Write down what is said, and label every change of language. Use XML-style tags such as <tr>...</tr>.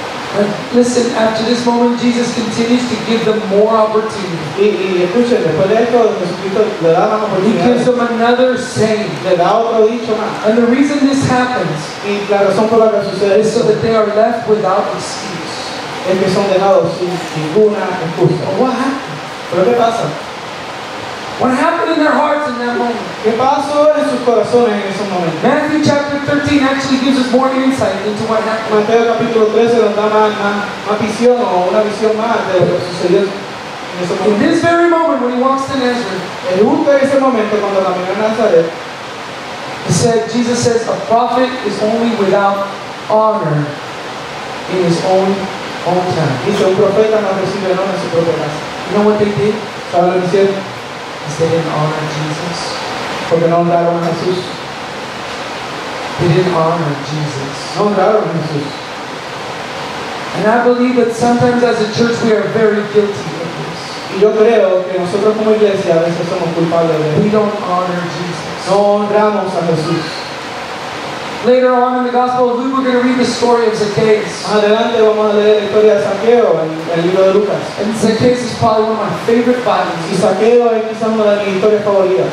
<en>But listen, after this moment, Jesus continues to give them more opportunity.</en> <es>Y escuchen, después de esto, Jesucristo le da más oportunidad.</es> <en>He gives them another saying.</en> <es>Le da otro dicho más.</es> <en>And the reason this happens</en> <es>y la razón por la que sucede</es> <en>is so that they are left without excuse.</en> <es>es que son dejados sin ninguna excusa. ¿Pero qué pasa?</es> <en>What happened in their hearts in that moment?</en> <es>¿Qué pasó en sus corazones en ese momento?</es> <en>Matthew chapter 13 actually gives us more insight into what happened.</en> <es>Mateo capítulo 13 nos da más visión o una visión más de lo que sucedió.</es> <en>In this very moment when he walks to Nazareth,</en> <es>justo en ese momento cuando caminó a Nazaret,</es> <en>Jesus says, a prophet is only without honor in his own hometown.</en> <es>Dice, un profeta no recibe honor en su propia casa.</es> <en>You know what they did?</en> <es>¿Saben lo que hicieron?</es> <en>Is they didn't honor Jesus.</en> <es>Porque no honraron a Jesús.</es> <en>They didn't honor Jesus.</en> <es>No honraron a Jesús.</es> <en>And I believe that sometimes as a church we are very guilty.</en> <es>Y yo creo que nosotros como iglesia a veces somos culpables de</es> <en>él. We don't honor Jesus.</en> <es>No honramos a Jesús.</es> <en>Later on in the Gospel of Luke, we're going to read the story of Zacchaeus.</en> <es>Adelante vamos a leer la historia de Zaqueo en el libro de Lucas.</es> <en>And Zacchaeus is probably one of my favorite Bibles.</en> <es>Y Zaqueo es quizá una de mis historias favoritas.</es>